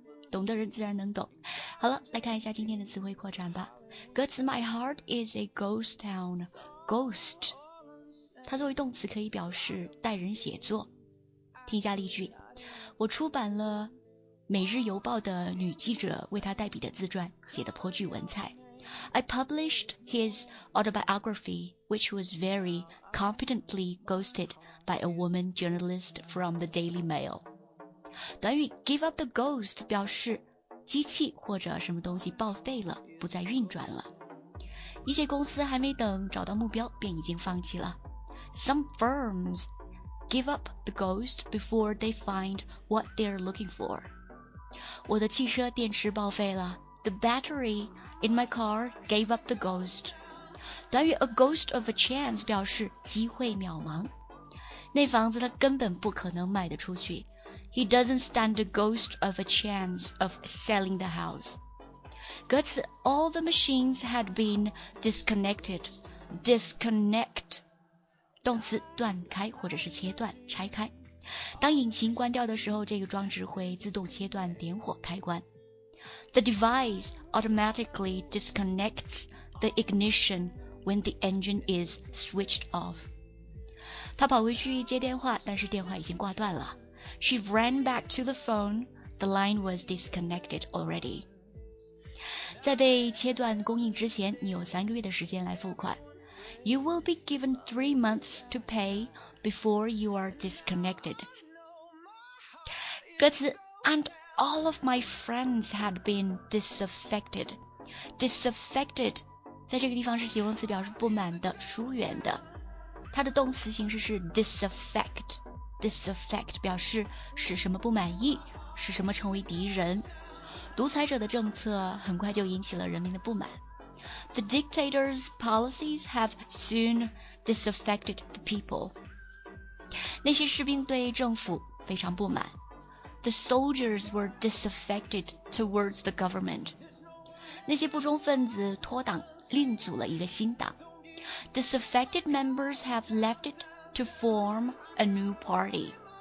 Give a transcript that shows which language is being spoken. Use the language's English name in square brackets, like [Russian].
[Chinese] 懂的人自然能懂。好了，来看一下今天的词汇扩展吧。歌词 [English] My heart is a ghost town。 [Chinese] Ghost， 它作为动词可以表示带人写作。听一下例句，我出版了每日邮报的女记者为他代笔的自传，写得颇具文采。 [English] I published his autobiography which was very competently ghosted by a woman journalist from the Daily Mail。 [Chinese] 短语 [English] give up the ghost [Chinese] 表示机器或者什么东西报废了，不再运转了。一些公司还没等找到目标便已经放弃了。 [English] Some firms give up the ghost before they find what they're looking for. [Chinese] 我的汽车电池报废了。 [English] The battery in my car gave up the ghost. [Chinese] 短语 [English] a ghost of a chance [Chinese] 表示机会渺茫。那房子他根本不可能卖得出去。 [English] He doesn't stand a ghost of a chance of selling the house. 歌词 All the machines had been disconnected. [Chinese] Disconnect 动词断开或者是切断拆开，当引擎关掉的时候，这个装置会自动切断点火开关。 [English] The device automatically disconnects the ignition when the engine is switched off. [Chinese] 她跑回去接电话，但是电话已经挂断了。 [English] She ran back to the phone. The line was disconnected already. [Chinese] 在被切断供应之前，你有三个月的时间来付款。 [English] You will be given 3 months to pay before you are disconnected. 歌词 And all of my friends had been disaffected. [Chinese] Disaffected 在这个地方是形容词，表示不满的、疏远的。它的动词形式是 disaffect. Disaffect 表示使什么不满意，使什么成为敌人。独裁者的政策很快就引起了人民的不满。 [English] The dictator's policies have soon disaffected the people. [Chinese] 那些士兵对政府非常不满。 [English] The soldiers were disaffected towards the government. [Chinese] 那些不忠分子脱党，另组了一个新党。 [English] Disaffected members have left it to form a new party.